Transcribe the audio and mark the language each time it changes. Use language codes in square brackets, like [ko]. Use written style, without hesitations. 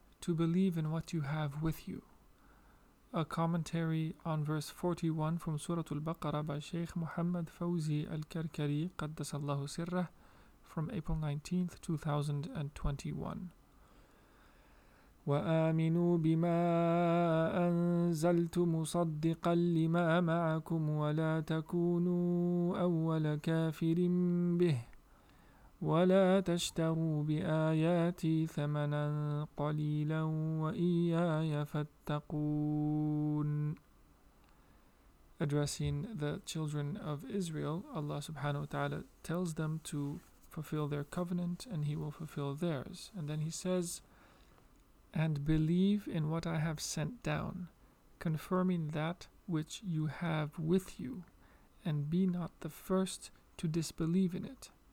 [en] To believe in what you have with you. A commentary on verse 41 from Surat al-Baqara by Shaykh Mohamed Faouzi al-Karkari qaddasallahu sirrah from April 19th, 2021. [ar] وَآمِنُوا بِمَا أَنزَلْتُ مُصَدِّقًا لِمَا مَعَكُمْ وَلَا تَكُونُوا أَوَّلَ كَافِرٍ بِهِ ولا تشتروا بآياتي ثمنا قليلا وإياي فاتقون. [en] Addressing the children of Israel, Allah subhanahu wa ta'ala tells them to fulfill their covenant and He will fulfill theirs. And then He says, and believe in what I have sent down, confirming that which you have with you, and be not the first to disbelieve in it.